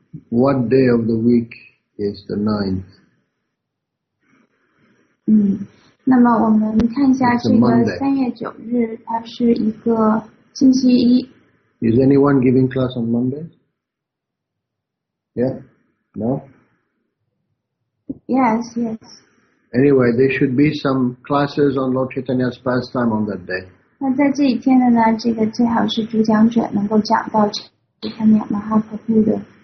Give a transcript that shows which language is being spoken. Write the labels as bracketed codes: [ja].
[en] What day of the week is the 9th? [zh] 那么我们看一下这个三月九日它是一个星期一。 [en] Is anyone giving class on Monday? Yeah? No? Yes, yes. Anyway, there should be some classes on Lord Chaitanya's pastime on that day. [zh] 那在这一天的呢，这个最好是主讲者能够讲到这方面马哈帕布的